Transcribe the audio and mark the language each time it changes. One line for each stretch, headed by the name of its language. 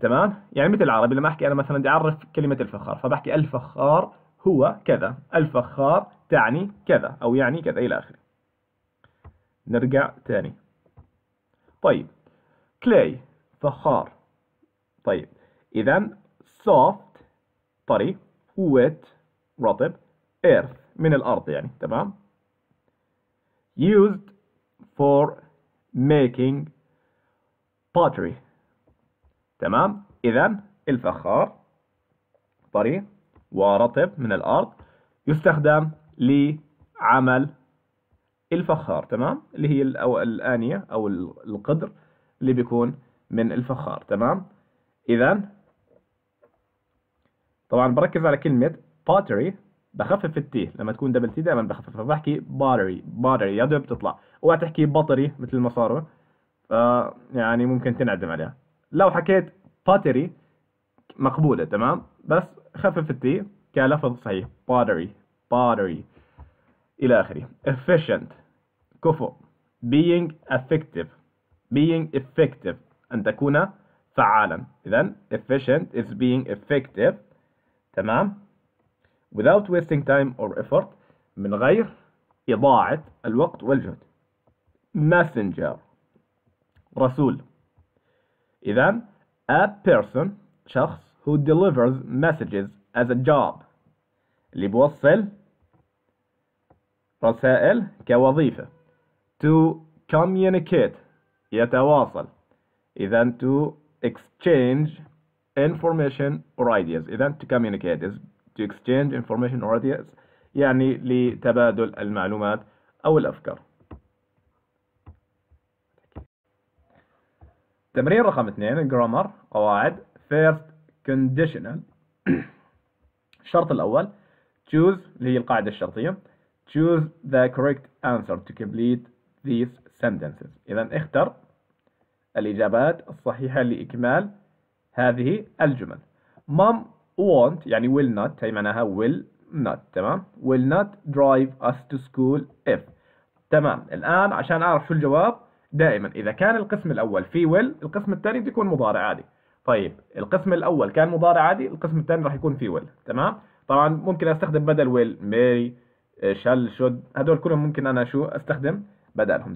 Arabic: تمام؟ يعني مثل العربي لما أحكي أنا مثلا بدي أعرف كلمة الفخار، فبحكي الفخار هو كذا، الفخار تعني كذا أو يعني كذا إلى آخره. نرجع تاني. طيب clay فخار. طيب إذا soft طري، wet رطب، earth من الأرض يعني. تمام؟
English: used for making pottery.
Arabic: تمام؟ إذا الفخار طري ورطب من الأرض يستخدم لعمل الفخار. تمام؟ اللي هي الآنية أو القدر اللي بيكون من الفخار. تمام؟ إذا طبعا بركز على كلمة pottery، بخفف التي لما تكون دبل تي دائما بخفف، فبحكي باتري باتري، يا دوب بتطلع، اوعى تحكي بطري مثل المصاري، يعني ممكن تنعدم عليها. لو حكيت باتري مقبوله، تمام، بس خفف التي كلفظ صحيح، باتري باتري الى اخره.
English: efficient كفو، being effective، being effective
Arabic: ان تكون فعالا.
English: اذا efficient is being effective.
Arabic: تمام؟
English: without wasting time or effort،
Arabic: من غير إضاعة الوقت والجهد. messenger رسول.
English: إذا a person شخص who delivers messages as a job،
Arabic: اللي بوصل رسائل كوظيفة.
English: to communicate
Arabic: يتواصل. إذا
English: to exchange information or ideas. إذا to communicate is to exchange information or ideas،
Arabic: يعني لتبادل المعلومات أو الأفكار. تمرين رقم 2، grammar، قواعد.
English: first conditional،
Arabic: الشرط الأول، choose اللي هي القاعدة الشرطية،
English: choose the correct answer to complete these sentences،
Arabic: إذا اختر الإجابات الصحيحة لإكمال هذه الجمل.
English: mom won't
Arabic: يعني
English: will not،
Arabic: هي معناها
English: will not.
Arabic: تمام؟
English: will not drive us to school if.
Arabic: تمام. الآن عشان أعرف شو الجواب، دائما إذا كان القسم الأول فيه will، القسم الثاني بيكون مضارع عادي. طيب القسم الأول كان مضارع عادي، القسم الثاني راح يكون فيه will. تمام؟ طبعا ممكن أستخدم بدل will may shall should، هدول كلهم ممكن أنا شو أستخدم بدلهم.